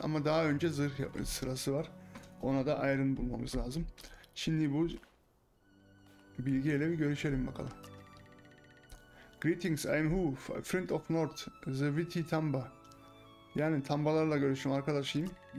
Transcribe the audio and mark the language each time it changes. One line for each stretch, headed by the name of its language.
Turkish: Ama daha önce zırh sırası var. Ona da Iron bulmamız lazım. Şimdi bu bilgiyle bir görüşelim bakalım.
English: Greetings, I'm Hu, friend of North, the Witty Tamba.
Turkish: Yani tambalarla görüşüm arkadaşıyım.